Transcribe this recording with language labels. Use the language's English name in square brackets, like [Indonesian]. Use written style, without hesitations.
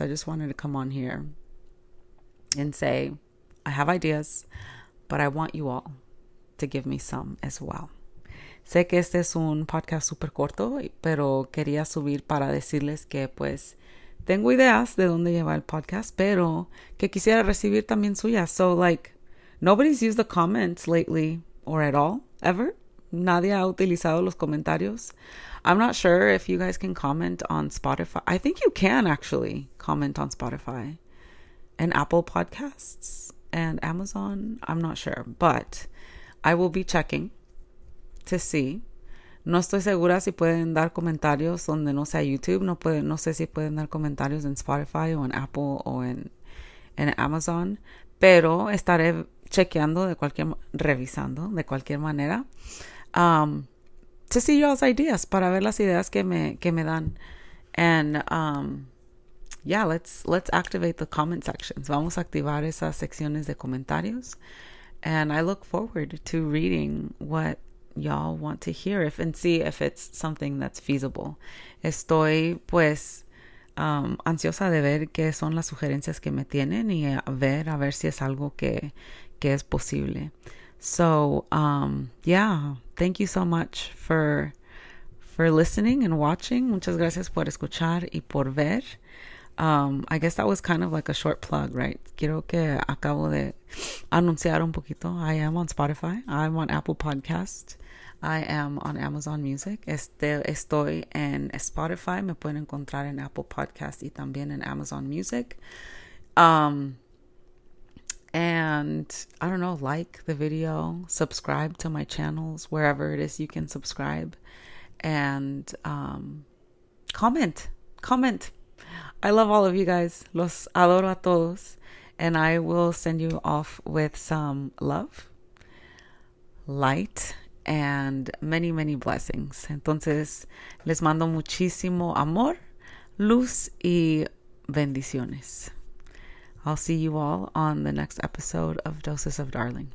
[English] I just wanted to come on here and say I have ideas, but I want you all to give me some as well. [Spanish] Sé que este es un podcast super corto, pero quería subir para decirles que, pues, tengo ideas de dónde llevar el podcast, pero que quisiera recibir también suyas. [English] So, like, nobody's used the comments lately or at all, ever. [Spanish] Nadie ha utilizado los comentarios. [English] I'm not sure if you guys can comment on Spotify. I think you can actually comment on Spotify and Apple Podcasts and Amazon. I'm not sure, but I will be checking to see. [Spanish] No estoy segura si pueden dar comentarios donde no sea YouTube. No sé si pueden dar comentarios en Spotify o en Apple o en Amazon. Pero estaré revisando de cualquier manera. [English] to see y'all's ideas, [Spanish] para ver las ideas que me dan. [English] And yeah, let's activate the comment sections. [Spanish] Vamos a activar esas secciones de comentarios. [English] And I look forward to reading what y'all want to hear and see if it's something that's feasible. [Spanish] Estoy pues ansiosa de ver qué son las sugerencias que me tienen y a ver si es algo que es posible. [English] So, yeah, thank you so much for listening and watching. [Spanish] Muchas gracias por escuchar y por ver. [English] I guess that was kind of like a short plug, right? [Spanish] Quiero que acabo de anunciar un poquito. [English] I am on Spotify. I'm on Apple Podcasts. I am on Amazon Music. [Spanish] Estoy en Spotify. Me pueden encontrar en Apple Podcasts y también en Amazon Music. [English] And I don't know, like the video, subscribe to my channels, wherever it is you can subscribe, and comment. I love all of you guys. [Spanish] Los adoro a todos. [English] And I will send you off with some love, light, and many, many blessings. [Spanish] Entonces, les mando muchísimo amor, luz, y bendiciones. [English] I'll see you all on the next episode of Dosis of Darling.